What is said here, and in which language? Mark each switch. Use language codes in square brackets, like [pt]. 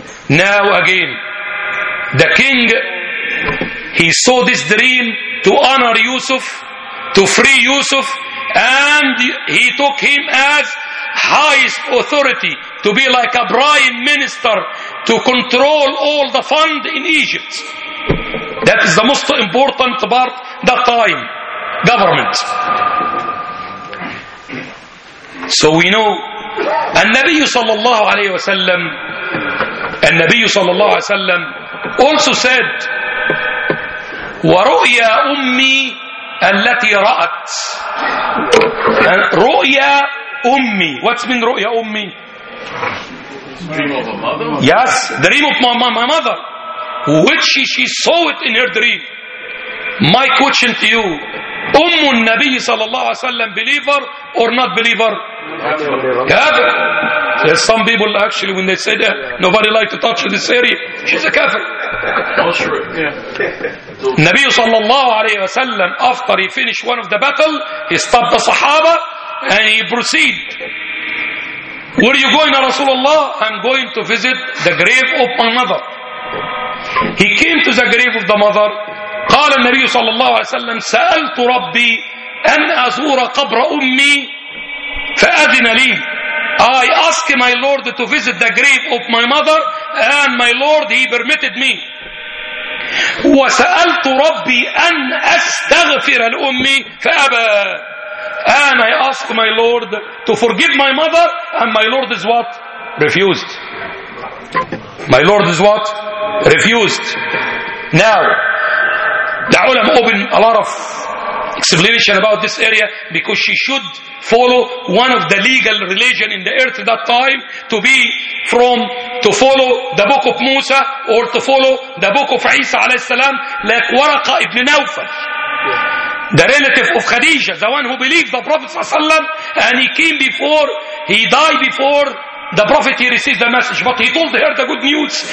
[en] Now again, the king, he saw this dream to honor Yusuf, to free Yusuf, and he took him as highest authority to be like a prime minister to control all the fund in Egypt. That is the most important part that time, government. So we know [ar] النبي صلى الله عليه وسلم, النبي صلى الله عليه وسلم [en] also said [ar] ورؤيا أمي التي رأت. رؤيا أمي, [en] what's mean [ar] رؤيا أمي? [en] Yes, dream of my mother, which she saw it in her dream. My question to you, [ar] أم النبي صلى الله عليه وسلم [en] believer or not believer? Kafir. There's some people actually when they say that, nobody like to touch this area. She's a kafir. Nabi sallallahu alayhi wa sallam, after he finished one of the battle, he stopped the sahaba and he proceed. Where are you going, Rasulullah? I'm going to visit the grave of my mother. He came to the grave of the mother. [ar] قال النبي صلى الله عليه وسلم سألت ربي أن أزور قبر أمي فأذن لي. [en] I ask my Lord to visit the grave of my mother and my Lord he permitted me. [ar] وسألت ربي أن أستغفر لأمي فأبى. [en] And I ask my Lord to forgive my mother and my Lord is what? Refused. My Lord is what? Refused. Now the ulama open a lot of explanation about this area because she should follow one of the legal religion in the earth at that time to be from to follow the book of Musa or to follow the book of Isa alayhi salam, like Waraqa ibn Nawfal, the relative of Khadija, the one who believed the Prophet sallam, and he came before he died before the Prophet, he received the message, but he told her the good news.